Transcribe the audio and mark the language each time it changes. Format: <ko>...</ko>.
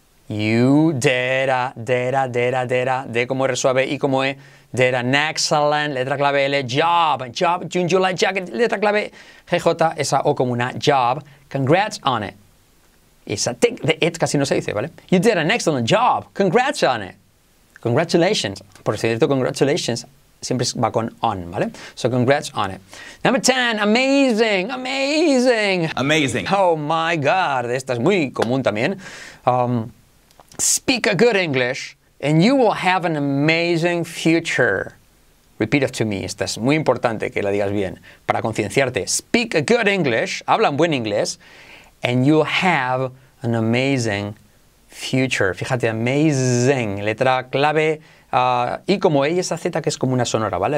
<en>You did</en> <es>como R suave, I como E,</es> <en>did an excellent,</en> <es>letra clave L, job,</es> <en>June, July, jacket,</en> <es>letra clave GJ, esa O como una, job,</es> <en>congrats on it.</en> <es>Esa tic de it casi no se dice, ¿vale?</es> <en>You did an excellent job, congrats on it. Congratulations.</en> <es>Por cierto, congratulations siempre va con on, ¿vale?</es> <en>So congrats on it. Number 10, amazing, amazing. Amazing. Oh my God,</en> <es>esta es muy común también.</es> <en>Speak a good English and you will have an amazing future. Repeat it to me.</en> <es>Esto es muy importante que la digas bien para concienciarte.</es> <en>Speak a good English,</en> <es>habla un buen inglés,</es> <en>and you'll have an amazing future.</en> <es>Fíjate, amazing, letra clave, y como E y esa Z que es como una sonora, ¿vale?</es>